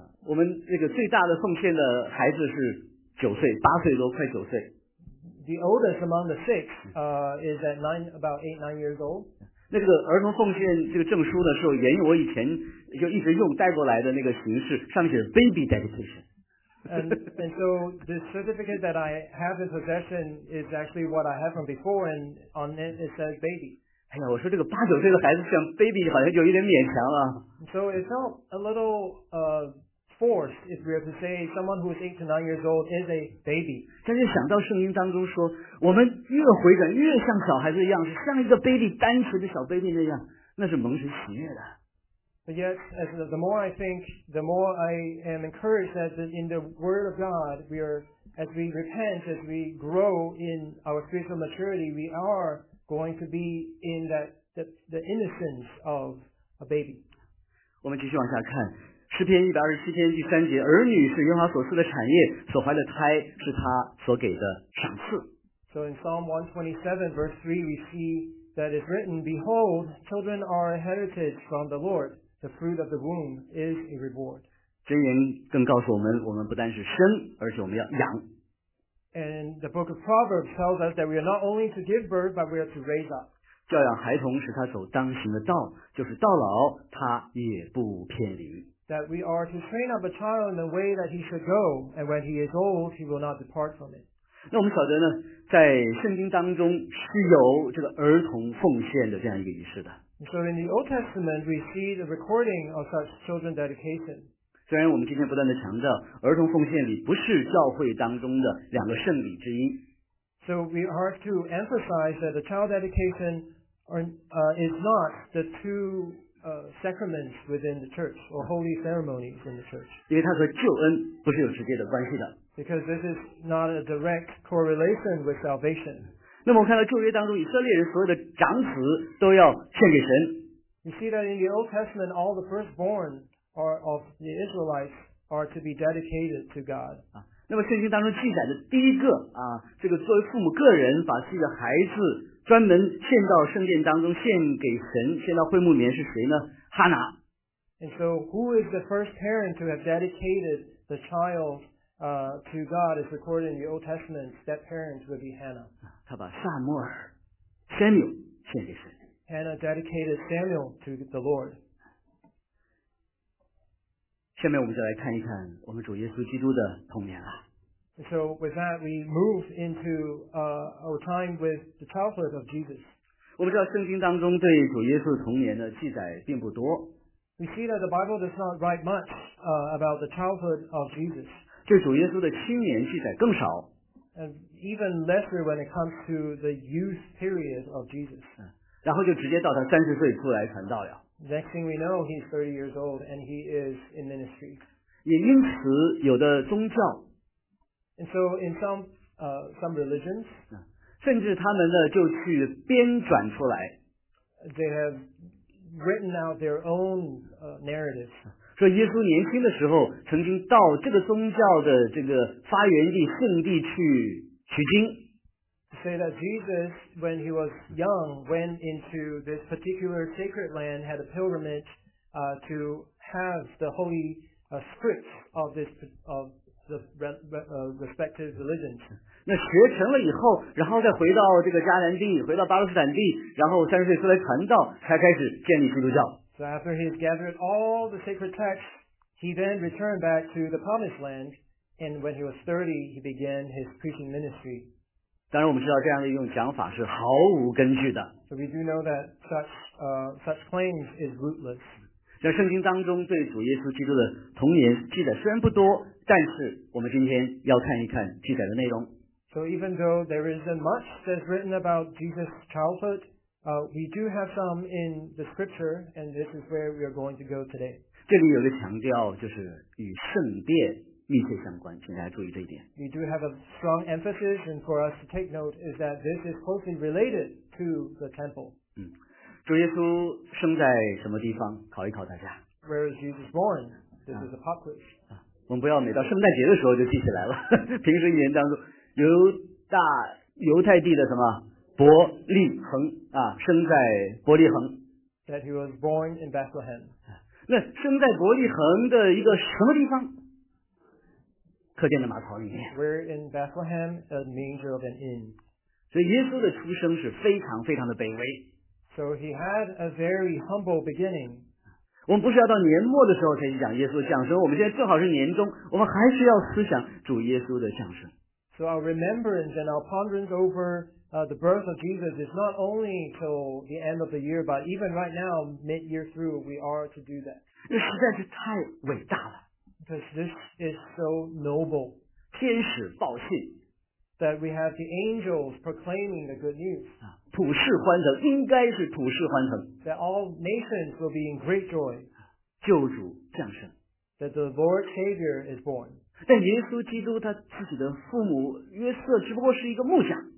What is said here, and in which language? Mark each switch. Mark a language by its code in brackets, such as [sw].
[zh] 我们那个最大的奉献的孩子是九岁，八岁多，快九岁。 [en] The oldest among the six, is at about eight, nine years old. [zh] 那个儿童奉献这个证书呢，是沿用我以前就一直用带过来的那个形式，上面写 [en] baby dedication. and so the certificate that I have in possession is actually what I have from before, and on it it says baby. [zh] 哎呀，我说这个八九岁的孩子像 baby 好像就有点勉强了。 [en] So it felt a little forced if we have to say someone who is 8 to 9 years old is a baby. [zh] 但是想到圣经当中说，我们越回转越像小孩子的样子，像一个 baby 单纯的小 baby 那样，那是蒙神喜悦的。 [en] But yet, as the more I think, the more I am encouraged that in the Word of God, we are, as we repent, as we grow in our spiritual maturity, we are. Going to be in the innocence of a baby. [zh] 我们继续往下看诗篇一百二十七篇第三节，儿女是耶和华所赐的产业，所怀的胎是他所给的赏赐。 [en] So in Psalm 127 verse 3 we see that it's written, "Behold, children are a heritage from the Lord; the fruit of the womb is a reward." [zh] 箴言更告诉我们，我们不单是生，而且我们要养。 [en] And the book of Proverbs tells us that we are not only to give birth, but we are to raise up. [zh] 教养孩童使他走当行的道，就是到老他也不偏离。 [en] That we are to train up a child in the way that he should go, and when he is old, he will not depart from it. [zh] 那我们晓得呢，在圣经当中是有这个儿童奉献的这样一个仪式的。 [en] So in the Old Testament, we see the recording of such children dedication. [zh] 虽然我们今天不断地强调儿童奉献礼不是教会当中的两个圣礼之一。 [en] So we are to emphasize that the child dedication is not the two sacraments within the church or holy ceremonies in the church. [zh] 因为它和救恩不是有直接的关系的。 [en] Because this is not a direct correlation with salvation. [zh] 那么我看到旧约当中以色列人所有的长子都要献给神。 [en] You see that in the Old Testament, all the firstborn,are of the Israelites are to be dedicated to God. [zh] 那么圣经当中记载的第一个啊，这个作为父母个人把自己的孩子专门献到圣殿当中献给神，献到会幕里面是谁呢？哈拿。 [en] And so, who is the first parent to have dedicated the child to God? Is recorded in the Old Testament. That parent would be Hannah. [zh] 他把撒母耳 Samuel 献给神。 [en] Hannah dedicated Samuel to the Lord. [zh] 下面我们再来看一看我们主耶稣基督的童年了。 [en] So with that, we move into our time with the childhood of Jesus. [zh] 我们知道圣经当中对主耶稣童年的记载并不多。 [en] We see that the Bible does not write much about the childhood of Jesus. [zh] 对主耶稣的青年记载更少。 [en] And even lesser when it comes to the youth period of Jesus. [zh] 然后就直接到他30岁出来传道了。 [en] Next thing we know, he's 30 years old and he is in ministry. [zh] 也因此有的宗教。 [en] And so in some religions, [zh] 甚至他们呢就去编撰出来。 [en] They have written out their own narratives. [zh] 说耶稣年轻的时候曾经到这个宗教的这个发源地圣地去取经。 [en] Say that Jesus, when he was young, went into this particular sacred land, had a pilgrimage to have the holy scripts of this of the respective religions. [zh] 那学成了以后，然后再回到这个迦南地，回到巴勒斯坦地，然后三十岁出来传道，才开始建立基督教。 [en] So after he has gathered all the sacred texts, he then returned back to the promised land, and when he was 30, he began his preaching ministry. [zh] 当然我们知道这样的一种讲法是毫无根据的。 [en] So we do know that such claims is rootless. [zh] 在圣经当中对主耶稣基督的童年记载虽然不多，但是我们今天要看一看记载的内容。 [en] So even though there isn't much that's written about Jesus' childhood, we do have some in the scripture, and this is where we are going to go today. [zh] 这里有个强调就是与圣殿密切相关，请大家注意这一点。 [en] We do have a strong emphasis, and for us to take note is that this is closely related to the temple. [zh] 主耶稣生在什么地方？考一考大家。 [en] Where is Jesus born? This is a pop quiz. [zh] 我们不要每到圣诞节的时候就记起来了。平时一年当中，犹太地的什么伯利恒啊，生在伯利恒。 [en] That he was born in Bethlehem. [zh] 那生在伯利恒的一个什么地方？客店的马槽里面。 [en] We're in Bethlehem, a manger of an inn. [zh] 所以耶稣的出生是非常非常的卑微。 [en] So he had a very humble beginning. [zh] 我们不是要到年末的时候才去讲耶稣的降生，我们现在正好是年中，我们还是要思想主耶稣的降生。 [en] So our remembrance and our ponderance over the birth of Jesus is not only till the end of the year, but even right now, mid-year through, we are to do that. [zh] 这实在是太伟大了。 [en] Because this is so noble. [zh] 天使报信。 [en] That we have the angels proclaiming the good news. [zh] 普世欢腾，应该是普世欢腾。 [en] That all nations will be in great joy. [zh] 救主降生。 [en] That the Lord Savior is born. [zh] 但耶稣基督他自己的父母约瑟只不过是一个木匠。